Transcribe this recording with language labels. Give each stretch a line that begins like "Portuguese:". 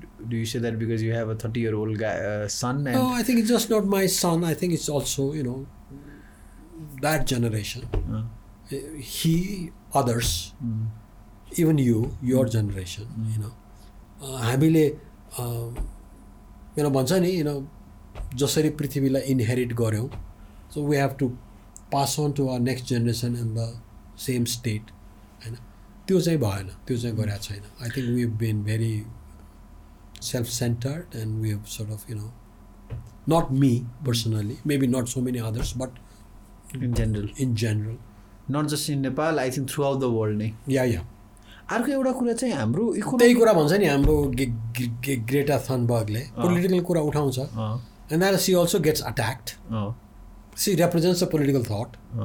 English: do you say that because you have a 30 year old guy son and no I think it's just not my son I think it's also you know that generation he others even your generation you know
Nepali: हामीले मेरो भन्छ नि
English: you know
Nepali: जसरी पृथ्वीलाई
English: inherit
Nepali: गऱ्यौँ
English: so we have to pass on to our next generation in the same state
Nepali: होइन त्यो चाहिँ भएन त्यो चाहिँ गरेको छैन
English: I think we have been very self centred and we have sort of you know not me personally maybe not so many others but in general not just in Nepal I think throughout the world
Nepali: नै या अर्को एउटा कुरा चाहिँ हाम्रो त्यही कुरा भन्छ नि हाम्रो ग्रेटा थनबर्गले पोलिटिकल कुरा उठाउँछ
English: and that she also gets attacked she represents a political thought